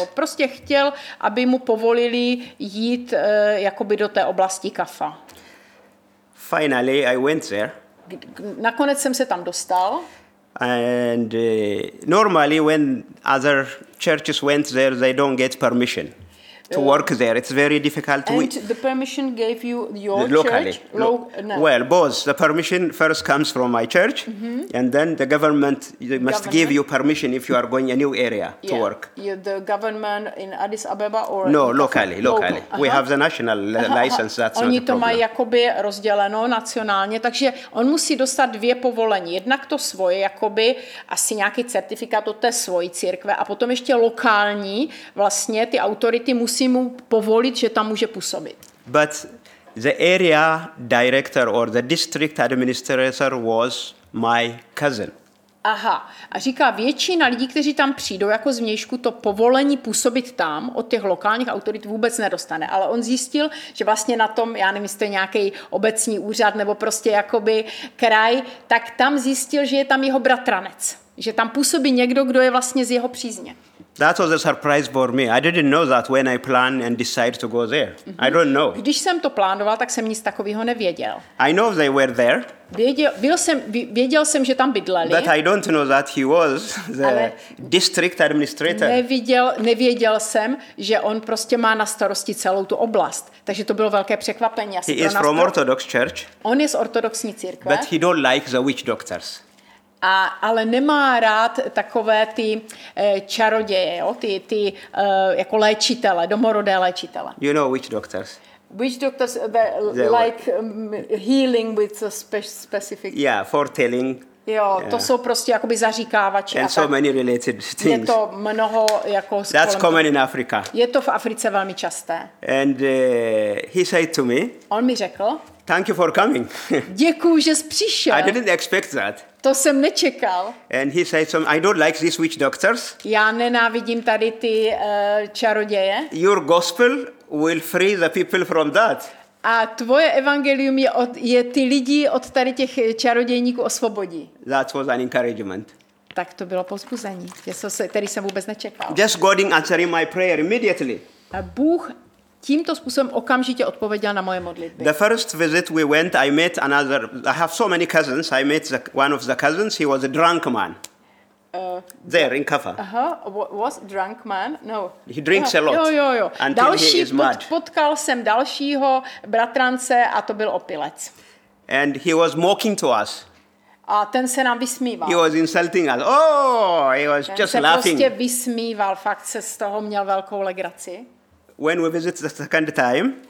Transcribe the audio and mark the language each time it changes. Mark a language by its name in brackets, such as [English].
[Czech] No, prostě chtěl, aby mu povolili jít jakoby do té oblasti Kafa. [English] Finally, I went there. [Czech] Nakonec jsem se tam dostal. [English] And normally when other churches went there, they don't get permission to work there. It's very difficult to... And the permission gave you your church? Locally. No. Well, both. The permission first comes from my church, and then the government must give you permission if you are going a new area to work. Yeah, the government in Addis Ababa or... No, locally. Uh-huh. We have the national license, that's [Czech] oni Oni to mají jakoby rozděleno nacionálně, takže on musí dostat dvě povolení. Jednak to svoje, jakoby asi nějaký certifikát od té svojí církve a potom ještě lokální, vlastně ty autority musí mu povolit, že tam může působit. [English] But the area director or the district administrator was my cousin. Aha. [Czech] A říká, většina lidí, kteří tam přijdou jako zvnějšku, to povolení působit tam od těch lokálních autorit vůbec nedostane. Ale on zjistil, že vlastně na tom, já nevím, jestli to je nějaký obecní úřad nebo prostě jakoby kraj, tak tam zjistil, že je tam jeho bratranec. že tam působí někdo, kdo je vlastně z jeho přízně. [English] That was a surprise for me. I didn't know that when I plan and decide to go there. Mm-hmm. I don't know. [Czech] Když jsem to plánoval, tak jsem nic takového nevěděl. [English] I know they were there. [Czech] Věděl jsem, že tam bydleli. [English] But I don't know that he was the district administrator. [Czech] Nevěděl jsem, že on prostě má na starosti celou tu oblast. Takže to bylo velké překvapení. [English] He is from Orthodox Church. [Czech] On je z ortodoxní církve. [English] But he don't like the witch doctors. [Czech] Ale nemá rád takové ty čaroděje, jo? ty jako léčitele, domorodé léčitele. [English] You know witch doctors? Witch doctors like healing with a specific. Yeah, foretelling. [Czech] Jo, to jsou prostě jakoby zaříkávači. [English] And so many related things. [Czech] Je to mnoho jako. [English] That's common in Africa. [Czech] Je to v Africe velmi časté. [English] And he said to me. [Czech] On mi řekl. [English] Thank you for coming. [Czech] Děkuju, že jsi přišel. [English] I didn't expect that. [Czech] To jsem nečekal. [English] And he said some, I don't like these witch doctors. [Czech] Já nenávidím tady ty čaroděje. [English] Your gospel will free the people from that. [Czech] A tvoje evangelium je ty lidi od tady těch čarodějníků osvobodí. [English] That was an encouragement. [Czech] Tak to bylo povzbuzení, který jsem vůbec nečekal. [English] Just God in answering my prayer immediately. [Czech] A Bůh tímto způsobem okamžitě odpověděl na moje modlitby. [English] The first visit we went, I met another. I have so many cousins. I met one of the cousins. He was a drunk man. There in Kaffa. Was drunk man? No. He drinks a lot. Jo. [Czech] Potkal jsem dalšího bratrance a to byl opilec. [English] And he was mocking to us. [Czech] A ten se nám vysmíval. [English] He was insulting us. Oh, he was [Czech] ten [English] just laughing. [Czech] Prostě vysmíval, fakt se z toho měl velkou legraci. [English] When we visit the second time?